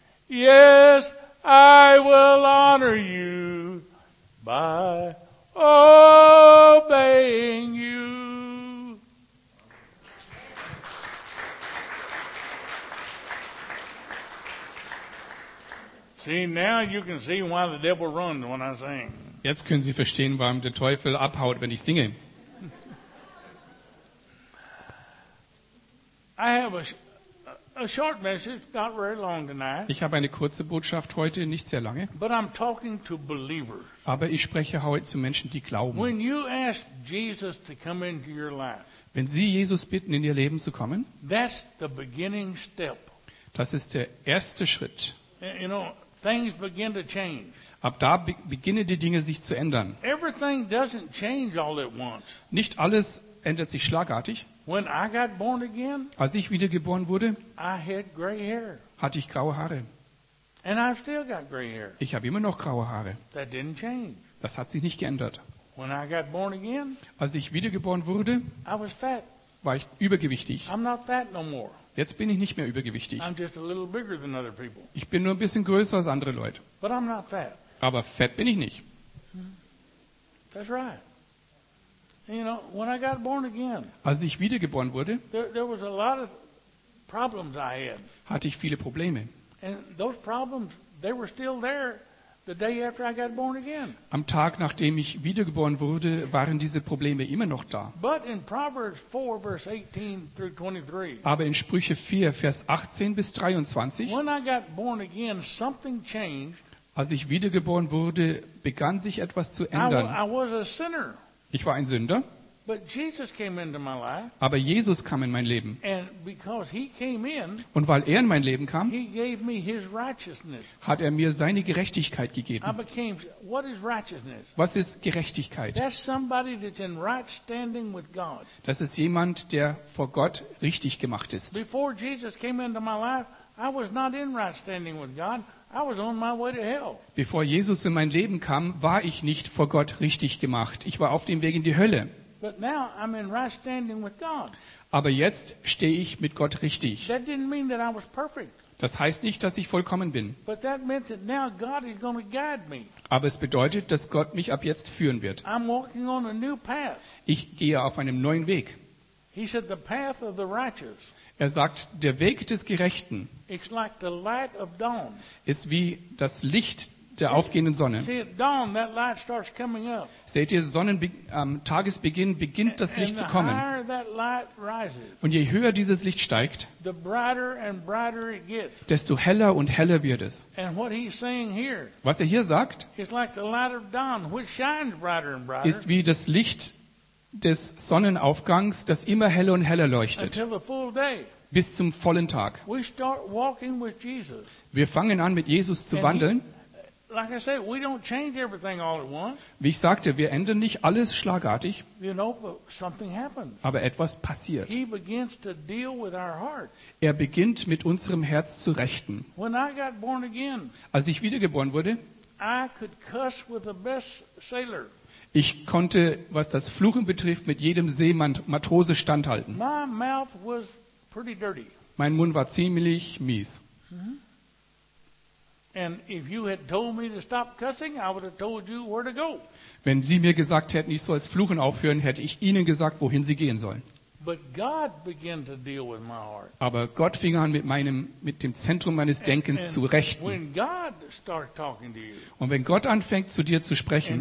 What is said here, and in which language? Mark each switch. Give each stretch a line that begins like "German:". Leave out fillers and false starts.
English: Yes, I will honor you by obeying you. See, now you can see why the devil runs when I sing.
German: Jetzt können Sie verstehen, warum der Teufel abhaut, wenn ich singe.
English: I have a short message, not very long tonight.
German: Ich habe eine kurze Botschaft heute, nicht sehr lange.
English: But I'm talking to believers.
German: Aber ich spreche heute zu Menschen, die glauben.
English: When you ask Jesus to come into your life,
German: wenn Sie Jesus bitten, in Ihr Leben zu kommen,
English: that's the beginning step.
German: Das ist der erste Schritt.
English: You know, things begin to change.
German: Ab da beginnen die Dinge sich zu ändern.
English: Everything doesn't change all at once.
German: Nicht alles ändert sich schlagartig.
English: When I got born again,
German: als ich wiedergeboren wurde,
English: I had gray hair.
German: Hatte ich graue Haare.
English: And I've still got gray hair.
German: Ich habe immer noch graue Haare.
English: That didn't change.
German: Das hat sich nicht geändert.
English: When I got born again,
German: als ich wiedergeboren wurde,
English: I was fat.
German: War ich übergewichtig.
English: I'm not fat no more.
German: Jetzt bin ich nicht mehr übergewichtig.
English: I'm just a little bigger than other people.
German: Ich bin nur ein bisschen größer als andere Leute.
English: But I'm not fat.
German: Aber fett bin ich nicht.
English: That's right. You know, when I got born again,
German: als ich wiedergeboren wurde,
English: there was a lot of problems I had.
German: Hatte ich viele Probleme.
English: And those problems, they were still there the day after I got born again.
German: Am Tag, nachdem ich wiedergeboren wurde, waren diese Probleme immer noch da.
English: But in Proverbs 4, verse 18 through 23,
German: aber in Sprüche 4, Vers 18 bis 23,
English: when I got born again, something changed.
German: Als ich wiedergeboren wurde, begann sich etwas zu ändern.
English: I was a sinner.
German: Ich war ein Sünder.
English: But Jesus came into my life.
German: Aber Jesus kam in mein Leben.
English: And because he came in,
German: und weil er in mein Leben kam,
English: he gave me his righteousness.
German: Hat er mir seine Gerechtigkeit gegeben.
English: I became, what is righteousness?
German: Was ist Gerechtigkeit?
English: That's somebody that's in right standing with God.
German: Das ist jemand, der vor Gott richtig gemacht ist. Bevor
English: Jesus came into my life, I was not in right standing with God. I was on my way to hell.
German: Bevor Jesus in mein Leben kam, war ich nicht vor Gott richtig gemacht. Ich war auf dem Weg in die Hölle.
English: But now I'm in right standing with God.
German: Aber jetzt stehe ich mit Gott richtig.
English: That didn't mean that I was perfect.
German: Das heißt nicht, dass ich vollkommen bin.
English: But that meant that now God is going to guide me.
German: Aber es bedeutet, dass Gott mich ab jetzt führen wird.
English: I'm walking on a new path.
German: Ich gehe auf einem neuen Weg.
English: He said the path of the righteous.
German: Er sagt, der Weg des Gerechten
English: it's like the light of dawn.
German: Ist wie das Licht der aufgehenden Sonne.
English: See, dawn, that light starts coming up.
German: Seht ihr, Tagesbeginn beginnt das Licht zu kommen.
English: Higher that light rises,
German: und je höher dieses Licht steigt,
English: the brighter and brighter it gets.
German: Desto heller und heller wird es.
English: And what he's saying here,
German: was er hier sagt,
English: it's like the light of dawn, which shines brighter and brighter,
German: ist wie das Licht des Sonnenaufgangs, das immer heller und heller leuchtet.
English: Until the full day.
German: Bis zum vollen Tag.
English: We start walking with Jesus.
German: Wir fangen an, mit Jesus zu
English: and
German: wandeln.
English: Like I said, we don't change everything all at once.
German: Wie ich sagte, wir ändern nicht alles schlagartig.
English: You know, but something happens.
German: Aber etwas passiert.
English: He begins to deal with our heart.
German: Er beginnt, mit unserem Herz zu rechten.
English: When I got born again,
German: als ich wiedergeboren wurde,
English: I could cuss with the best sailor.
German: Ich konnte, was das Fluchen betrifft, mit jedem Seemann Matrose standhalten.
English: My mouth was pretty dirty.
German: Mein Mund war ziemlich mies.
English: And if you had told me to stop cussing, I would have told you where to go.
German: Wenn Sie mir gesagt hätten, ich soll das Fluchen aufhören, hätte ich Ihnen gesagt, wohin Sie gehen sollen.
English: But God began to deal with my heart.
German: Aber Gott fing an, mit dem Zentrum meines Denkens zu rechten.
English: When God started talking to you,
German: und wenn Gott anfängt, zu dir zu sprechen,